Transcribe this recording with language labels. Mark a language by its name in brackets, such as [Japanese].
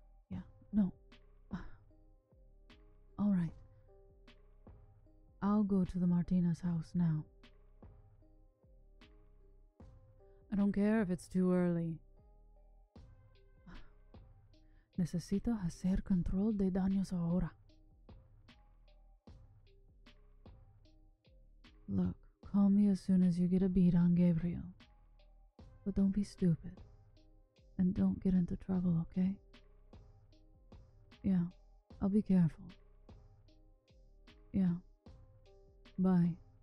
[English] Yeah, no. Alright. I'll go to the Martinez house now. I don't care if it's too early. [Spanish] Necesito hacer control de daños ahora. [English] Look, call me as soon as you get a beat on Gabriel. But don't be stupid. And don't get into trouble, okay? Yeah, I'll be careful. Yeah. Bye.